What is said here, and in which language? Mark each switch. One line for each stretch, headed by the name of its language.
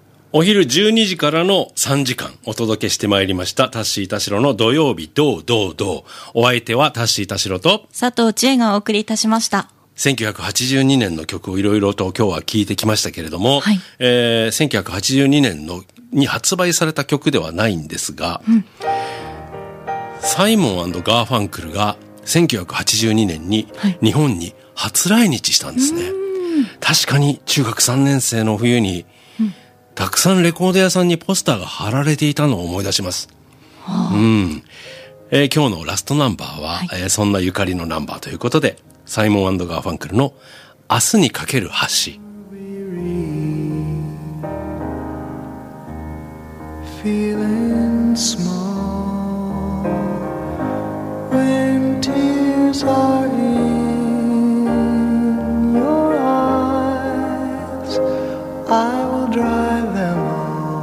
Japanese: お昼12時からの3時間お届けしてまいりました、タッシー田代の土曜日どうどうどう。お相手はタッシー田代と佐藤千恵がお送りいたしました。 1982年の曲をいろいろと今日は聞いてきましたけれども、1982年のに発売された曲ではないんですが、サイモン&ガーファンクルが1982年に日本に初来日したんですね、はい、確かに中学3年生の冬にたくさんレコード屋さんにポスターが貼られていたのを思い出します、はあ、うん、今日のラストナンバーは、はい、そんなゆかりのナンバーということでサイモン&ガーファンクルの明日にかける橋。
English: Feeling small when tears are in your eyes, I will dry them all.